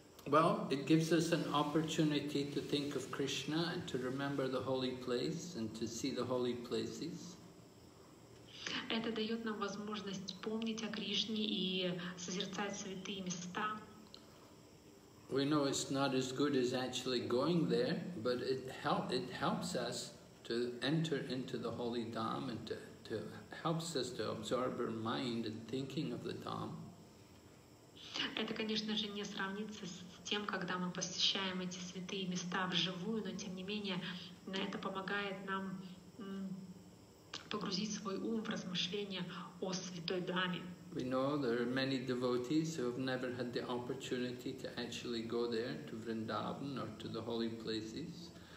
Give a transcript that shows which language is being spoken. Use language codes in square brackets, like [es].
[en] Well, it gives us an opportunity to think of Krishna and to remember the holy place and to see the holy places. [ru] Это дает нам возможность помнить о Кришне и созерцать святые места. [en] We know it's not as good as actually going there, but it helps us to enter into the holy Dham and to helps us to absorb our mind in thinking of the Dham. [ru] Это, конечно же, не сравнится с тем, когда мы посещаем эти святые места вживую, но тем не менее, это помогает нам погрузить свой ум в размышления о святой даме. [en] We know there are many devotees who have never had the opportunity to actually go there, to Vrindavan or to the holy places.